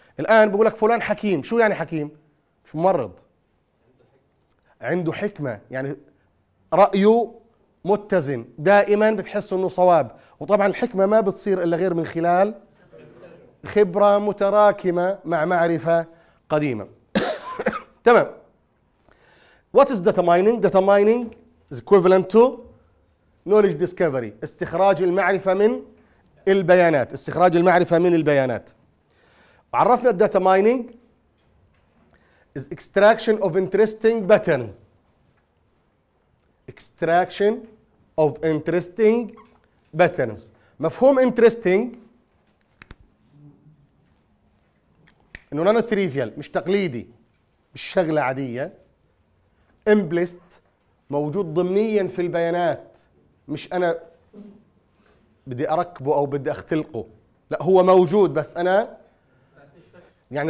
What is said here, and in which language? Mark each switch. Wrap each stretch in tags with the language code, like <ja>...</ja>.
<ar>الان بقول لك فلان حكيم، شو يعني حكيم؟ مش ممرض، عنده حكمة، يعني رأيه متزن دائما بتحس انه صواب. وطبعا الحكمة ما بتصير الا غير من خلال خبرة متراكمة مع معرفة قديمة.</ar> <en>تمام. What is data mining? Data mining is equivalent to knowledge discovery.</en> <ar>استخراج المعرفة من البيانات. استخراج المعرفة من البيانات.</ar> <en>عرفنا data mining is extraction of interesting patterns. Extraction of interesting patterns.</en> <ar>مفهوم interesting انه نانو تريفيال، مش تقليدي، مش شغلة عادية. امبلست موجود ضمنيا في البيانات، مش انا بدي اركبه او بدي اختلقه، لا هو موجود بس انا يعني.</ar>